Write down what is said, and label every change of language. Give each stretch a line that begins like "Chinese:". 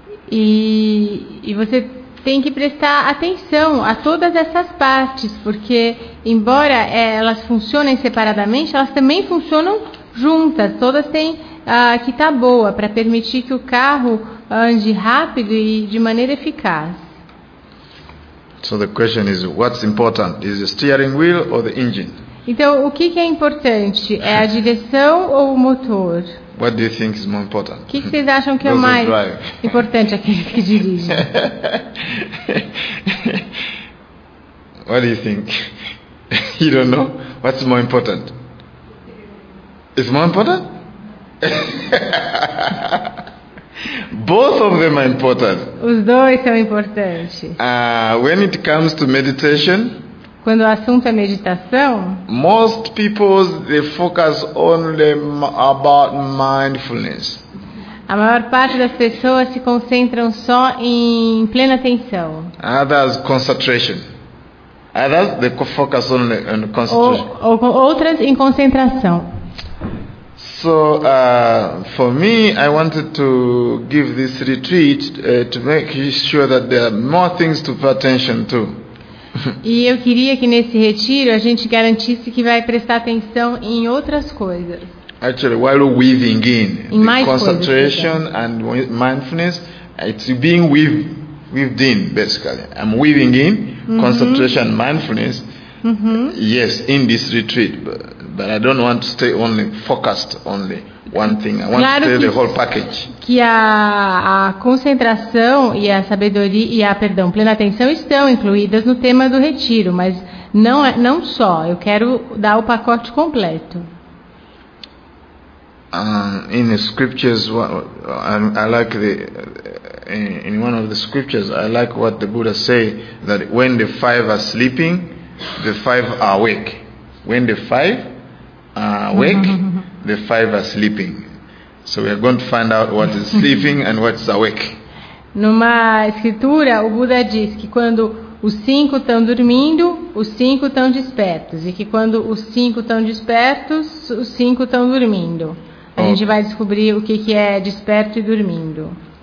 Portuguese: E você tem que prestar atenção a todas essas partes, porque embora elas funcionem separadamente, elas também funcionam juntas. Todas têm que estar boa para permitir que o carro ande rápido e de maneira eficaz.
English: So the question is, what's important? Is the steering wheel or the engine?
Portuguese: Então, o que é importante? É a direção ou o motor?
English: What do you think is more important?
Portuguese: O que vocês acham que é mais importante, aquele que dirige?
English: What do you think? You don't know? What's more important? It's more important? Both of them are important.
Portuguese: Os dois são importantes.
English: When it comes to meditation,
Portuguese: quando o assunto é meditação,
English: most people they focus only about mindfulness.
Portuguese: A maior parte das pessoas se concentram só em plena atenção.
English: Others concentration. Others, they focus on the concentration.
Portuguese: Outras em concentração.
English: So, for me, I wanted to give this retreat to make sure that there are more things to pay attention to.
Portuguese: E eu queria que nesse retiro a gente garantisse que vai prestar atenção em outras coisas.
English: Actually, while weaving in
Portuguese: em
English: the concentration and mindfulness, it's being weaved in, basically. I'm weaving in concentration and mindfulness, yes, in this retreat, but I don't want to stay only focused only one thing. I want
Portuguese: claro
English: to stay the whole package.
Portuguese: Que a concentração e a sabedoria e a perdão, plena atenção estão incluídas no tema do retiro, mas não só. Eu quero dar o pacote completo.
English: In the scriptures, I like the in one of the scriptures, I like what the Buddha say that when the five are sleeping, the five are awake. When the five are awake, the five are sleeping. So we are going to find out what is sleeping and what is awake.
Portuguese: Numa escritura, o Buda diz que quando os cinco estão dormindo, os cinco estão despertos, e que quando os cinco estão despertos, os cinco estão dormindo. A gente vai descobrir o que é desperto e dormindo.